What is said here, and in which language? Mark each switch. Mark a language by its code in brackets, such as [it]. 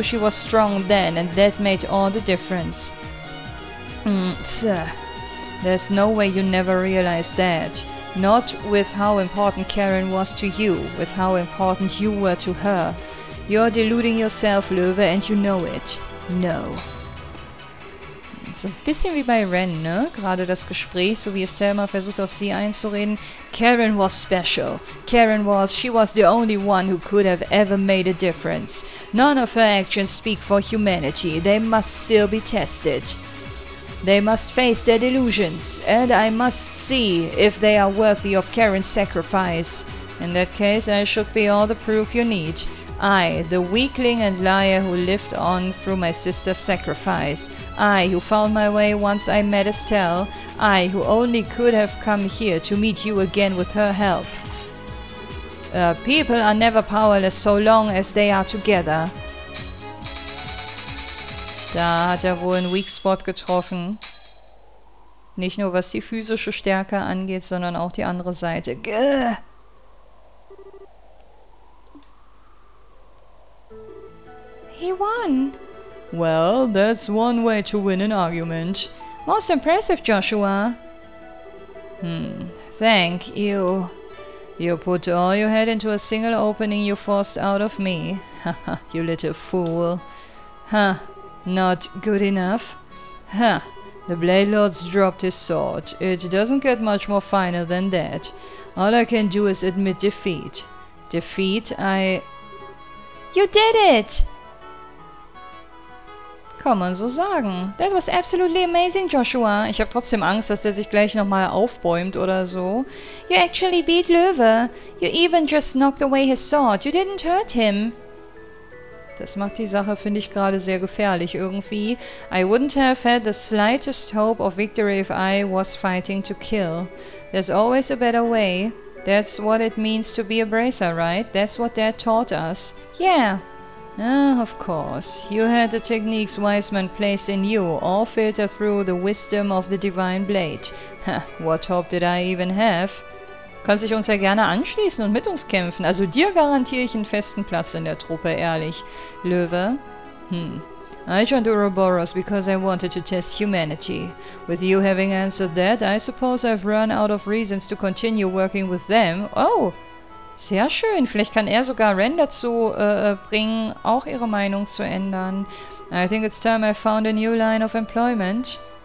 [en] She was strong then, and that made all the difference. There's no way you never realized that. Not with how important Karen was to you, with how important you were to her. You're deluding yourself, Löwe, and you know it. [de] No. So ein bisschen wie bei Ren, ne? Gerade das Gespräch, so wie es Selma versucht, auf sie einzureden. [en] Karen was special. She was the only one who could have ever made a difference. None of her actions speak for humanity. They must still be tested. They must face their delusions, and I must see if they are worthy of Karen's sacrifice. In that case, I should be all the proof you need. I, the weakling and liar who lived on through my sister's sacrifice. I, who found my way once I met Estelle. I, who only could have come here to meet you again with her help. People are never powerless so long as they are together. [de] Da hat er wohl einen Weak Spot getroffen. Nicht nur was die physische Stärke angeht, sondern auch die andere Seite. [en] He won. Well, that's one way to win an argument. Most impressive, Joshua. Thank you. You put all you had into a single opening you forced out of me. Haha, you little fool. Huh. Not good enough? Huh. The Blade Lord's dropped his sword. It doesn't get much more finer than that. All I can do is admit defeat. Defeat? You did it! [de] Kann man so sagen. [en] That was absolutely amazing, Joshua. [de] Ich habe trotzdem Angst, dass der sich gleich nochmal aufbäumt oder so. [en] You actually beat Löwe. You even just knocked away his sword. You didn't hurt him. [de] Das macht die Sache, finde ich, gerade sehr gefährlich irgendwie. [en] I wouldn't have had the slightest hope of victory if I was fighting to kill. There's always a better way. That's what it means to be a Bracer, right? That's what Dad taught us. Yeah. Ah, of course. You had the techniques Wiseman placed in you, all filtered through the wisdom of the Divine Blade. Ha, what hope did I even have? [de] Kannst dich uns ja gerne anschließen und mit uns kämpfen. Also dir garantiere ich einen festen Platz in der Truppe, ehrlich. [en] Löwe? I joined Ouroboros because I wanted to test humanity. With you having answered that, I suppose I've run out of reasons to continue working with them. Oh! [de] Sehr schön, vielleicht kann er sogar Ren dazu bringen, auch ihre Meinung zu ändern. [en] I think it's time I found a new line of employment.